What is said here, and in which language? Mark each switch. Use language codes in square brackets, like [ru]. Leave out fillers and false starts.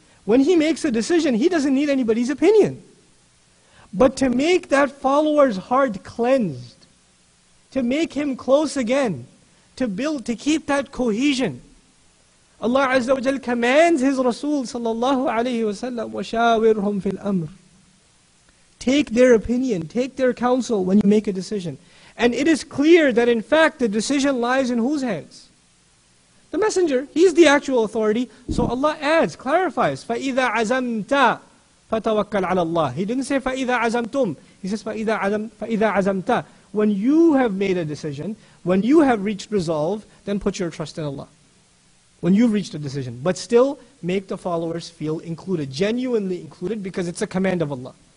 [en] When he makes a decision, he doesn't need anybody's opinion. But to make that follower's heart cleansed, to make him close again, to build, to keep that cohesion, Allah Azza wa Jal commands His Rasul sallallahu alayhi wa sallam, [ar] وَشَاوِرْهُمْ فِي الْأَمْرِ. [en] Take their opinion, take their counsel when you make a decision. And it is clear that in fact the decision lies in whose hands? The Messenger, he's the actual authority. So Allah adds, clarifies, [ar] فَإِذَا عَزَمْتَ فَتَوَكَّلْ عَلَى اللَّهِ. [en] He didn't say [ar] فَإِذَا عَزَمْتُمْ. [en] He says [ar] فَإِذَا عَزَمْتَ. [en] When you have made a decision, when you have reached resolve, then put your trust in Allah. When you've reached a decision. But still, make the followers feel included, genuinely included, because it's a command of Allah.